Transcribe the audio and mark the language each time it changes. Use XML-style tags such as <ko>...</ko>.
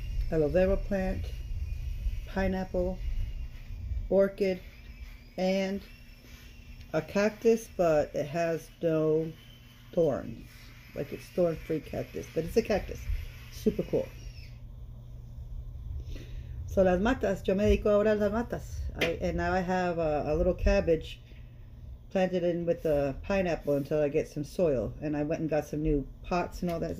<en>Aloe vera plant, pineapple, orchid, and a cactus, but it has no thorns. Like it's thorn-free cactus, but it's a cactus. Super cool.</en> <es>So las matas, yo me dedico ahora a las matas.</es> <en>And now I have a little cabbage planted in with the pineapple until I get some soil. And I went and got some new pots and all that.</en>